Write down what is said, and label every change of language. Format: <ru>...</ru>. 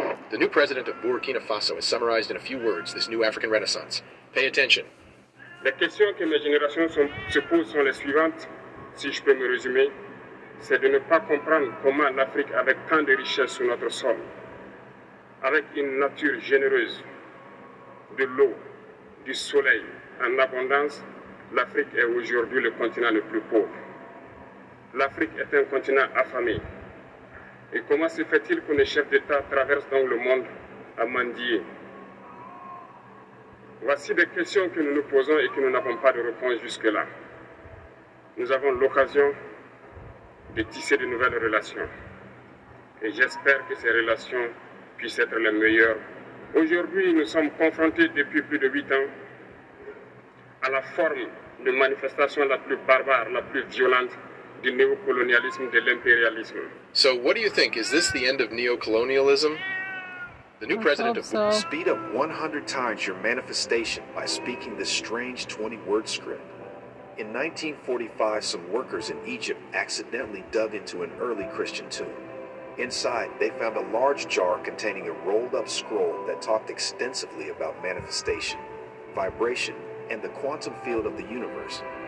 <en>The new president of Burkina Faso has summarized in a few words this new African renaissance. Pay attention.</en> <fr>Les questions que mes générations se posent sont les suivantes. Si je peux me résumer, c'est de ne pas comprendre comment l'Afrique, avec tant de richesses sur notre sol, avec une nature généreuse, de l'eau, du soleil en abondance, l'Afrique est aujourd'hui le continent le plus pauvre. L'Afrique est un continent affamé. Et comment se fait-il que nos chefs d'État traversent donc le monde à mendier? Voici des questions que nous nous posons et que nous n'avons pas de réponse jusque-là. Nous avons l'occasion de tisser de nouvelles relations. Et j'espère que ces relations puissent être les meilleures. Aujourd'hui, nous sommes confrontés depuis plus de 8 ans à la forme de manifestation la plus barbare, la plus violente du néocolonialisme, de l'impérialisme.</fr> <en>So what do you think? Is this the end of neocolonialism? The new president of Bhutan. Speed up 100 times your manifestation by speaking this strange 20-word script. In 1945, some workers in Egypt accidentally dug into an early Christian tomb. Inside, they found a large jar containing a rolled-up scroll that talked extensively about manifestation, vibration, and the quantum field of the universe.</en>